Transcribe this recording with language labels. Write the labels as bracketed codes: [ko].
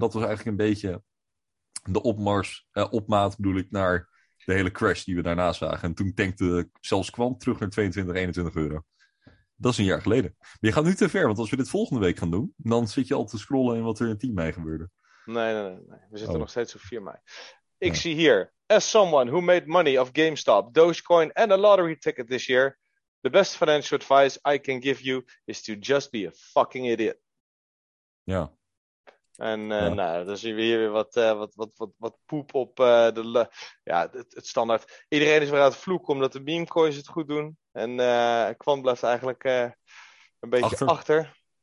[nl] En dat was eigenlijk een beetje de opmaat, bedoel ik, naar de hele crash die we daarna zagen. En toen tankte zelfs Quant terug naar 22, 21 euro. Dat is een jaar geleden. Maar je gaat nu te ver, want als we dit volgende week gaan doen, dan zit je al te scrollen in wat er in 10 mei gebeurde. Nee. We zitten nog steeds op 4 mei. [en] Ik zie hier, as someone who made money off GameStop, Dogecoin and a lottery ticket this year, the best financial advice I can give you is to just be a fucking idiot. [nl] Ja. En dan zien we hier weer wat poep op de het standaard. Iedereen is weer aan het vloeken omdat de memecoins het goed doen. En Quant blijft eigenlijk een beetje achter.